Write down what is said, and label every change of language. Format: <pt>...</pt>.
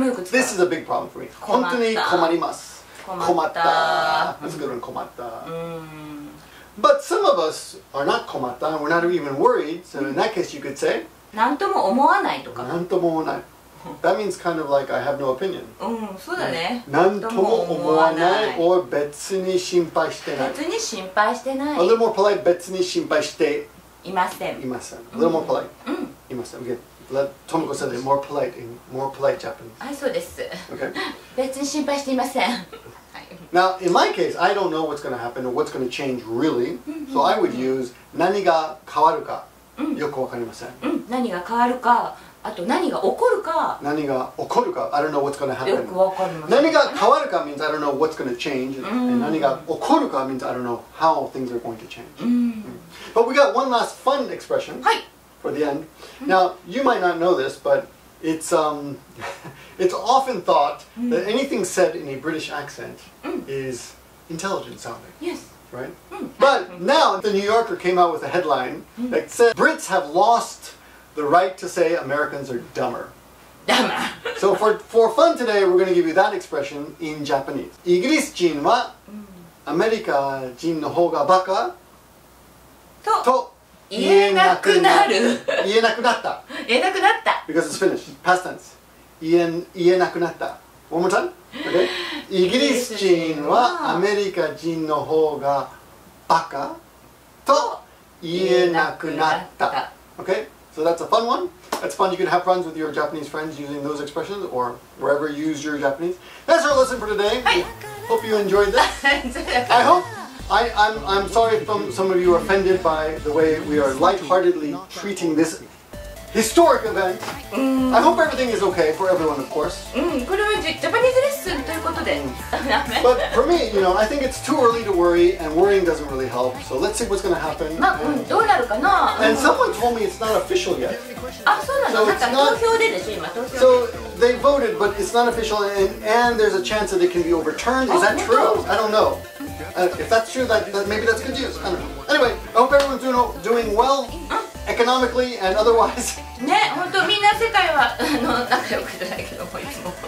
<en>This is a big problem for me.</en> <ja>本当に困ります。困った。</ja> <en>That's a good one, 困った。 But some of us are not 困った and we're not even worried. So in that case, you could say,</en> <ja>何とも思わないとか。何とも思わない。</ja> <en>That means kind of like I have no opinion.</en> <ja>そうだね。何とも思わない or 別に心配してない。別に心配してない。</ja> <en>A little more polite,</en> <ja>別に心配していません。</ja> <en>いません。A little more polite. いません。Okay. Let Tomoko say it more polite in more polite Japanese.</en> <ja>そうです。</ja> <en>Okay.</en> <ja>別に心配していません。</ja> <en>Now, in my case, I don't know what's going to happen or what's going to change really. So I would use</en> <ja>何が変わるかよくわかりません。何が変わるか、あと何が起こるか。何が起こるか、</ja> <en>I don't know what's going to happen.</en> <ja>よくわかりません。何が変わるか</ja> <en>means I don't know what's going to change. And</en> <ja>何が起こるか</ja> <en>means I don't know how things are going to change. But we got one last fun expression for the end. Now, you might not know this, but it's often thought that anything said in a British accent is intelligent sounding. Yes. Right? But now the New Yorker came out with a headline that said, Brits have lost the right to say Americans are dumber. Dumber. So for fun today, we're going to give you that expression in Japanese.</en> <ja>イギリス人はアメリカ人の方がバカと言えなくなる。言えなくなった。言えなくなった。</ja> <en>Because it's finished. Past tense.</en> <ja>言えなくなった。</ja> <en>One more time.</en> <ja>Okay. イギリス人はアメリカ人の方がバカと言えなくなった。</ja> <en>Okay? So that's a fun one. That's fun. You can have friends with your Japanese friends using those expressions or wherever you use your Japanese. That's our lesson for today. Hope you enjoyed this. I hope. I'm sorry if some of you are offended by the way we are lightheartedly treating this historic event. I hope everything is okay for everyone, of course.</en> <ja>これは</ja> <en>Japanese lesson</en> <ja>ということで。</ja> <en>But for me, you know, I think it's too early to worry, and worrying doesn't really help. So let's see what's going to happen.</en> <ja>どうなるかな。</ja> <en>And someone told me it's not official yet.</en> <ja>そうなの。なんか投票ででしょ今投票。</ja> <en>So they voted, but it's not official, and there's a chance that it can be overturned. Is that true? I don't know. If that's true, that maybe that's good news. I don't know. Anyway, I hope everyone's doing well. Economically and otherwise.</en> <ja>ね、本当みんな世界は仲良くじゃないけどもいつも。</ja>